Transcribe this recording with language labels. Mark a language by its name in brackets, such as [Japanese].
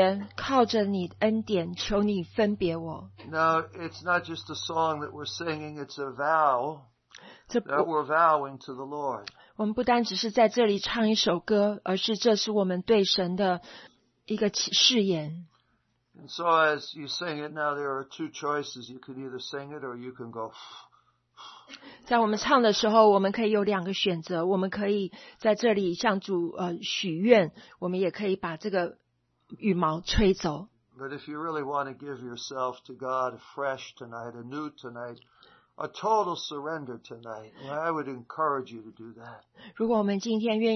[Chinese] 让我们唱第二节，靠着你恩典，求你分别我。 [English] Now, it's not just a song that we're singing, it's a vow that we're vowing to the Lord. [Chinese] 我们不单只是在这里唱一首歌，而是这是我们对神的一个誓言。 [English] And so as you sing it now, there are two choices. You can either sing it or you can go... [Chinese] 在我们唱的时候，我们可以有两个选择，我们可以在这里向主许愿，我们也可以把这个羽毛吹走。 [English] But if you really want to give yourself to God fresh tonight, anew tonight, a total surrender tonight, I would encourage you to do that.